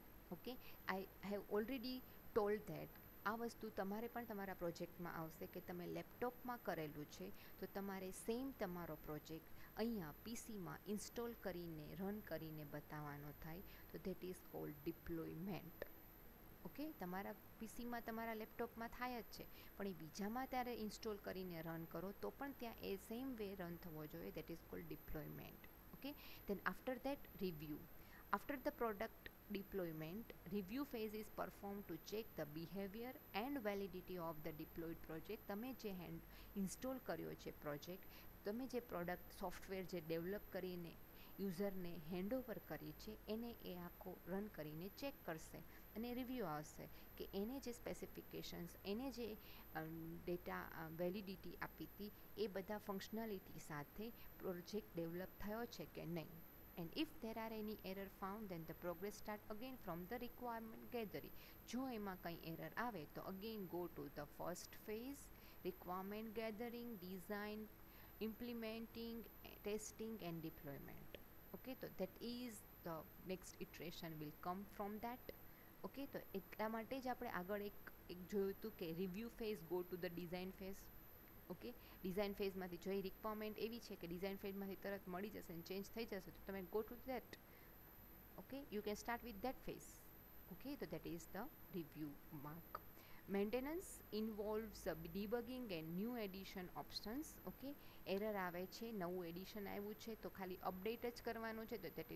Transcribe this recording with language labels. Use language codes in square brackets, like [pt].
[gu] Okay, [en] I have already told that [gu] આ વસ્તુ તમારે પણ તમારા પ્રોજેક્ટમાં આવશે કે તમે લેપટોપમાં કરેલું છે તો તમારે સેમ તમારો પ્રોજેક્ટ અહીંયા પીસીમાં ઇન્સ્ટોલ કરીને રન કરીને બતાવવાનો થાય તો [en] That is called deployment. [gu] Okay, તમારા પીસીમાં તમારા લેપટોપમાં થાય જ છે પણ એ બીજામાં ત્યારે ઇન્સ્ટોલ કરીને રન કરો તો પણ ત્યાં એ સેમ વે રન થવો જોઈએ, [en] That is called deployment. Okay, then after that review. After the product deployment, review phase is performed to check the behavior and validity of the deployed project. [gu] તમે જે hand install કર્યો છે project, તમે જે product software જે develop કરીને યુઝરને handover કરી છે એને એ આખો રન કરીને ચેક કરશે અને રિવ્યૂ આવશે કે એને જે સ્પેસિફિકેશન્સ, એને જે ડેટા વેલિડિટી આપી હતી એ બધા ફંક્શનાલિટી સાથે પ્રોજેક્ટ ડેવલપ થયો છે કે નહીં. [en] And if there are any error found, then the progress start again from the requirement gathering. [gu] જો એમાં કંઈ error આવે તો [en] again go to the first phase, requirement gathering, design, implementing, testing and deployment. Okay, [gu] તો [en] that is the next iteration will come from that. [gu] Okay, તો એટલા માટે જ આપણે આગળ એક જોયું હતું કે [en] review phase go to the design phase. [gu] Okay design ફેઝમાંથી જો એ રિક્વાયરમેન્ટ એવી છે કે ડિઝાઇન ફેઝમાંથી તરત મળી જશે અને ચેન્જ થઈ જશે તો તમે [en] go to that okay you can start with that phase okay તો that is the review mark maintenance involves debugging and new addition options [gu] okay error આવે છે નવું એડિશન આવ્યું છે તો ખાલી અપડેટ જ કરવાનું છે તો